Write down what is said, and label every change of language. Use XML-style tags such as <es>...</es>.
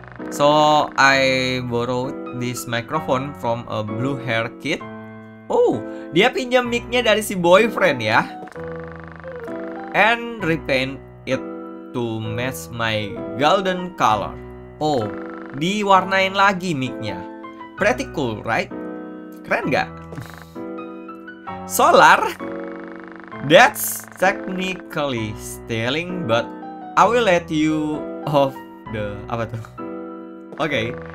<en>So I borrowed this microphone from a blue hair kid.</en> <id>Dia pinjam mic-nya dari si boyfriend ya.</id> <en>And repaint it to match my golden color.</en> <id>Diwarnain lagi mic-nya.</id> <en>Pretty cool, right?</en> <id>Keren gak? Solar.</id> <en>That's technically stealing, but I will let you off the...</en> <id>apa tuh?</id> <en>Okay.</en>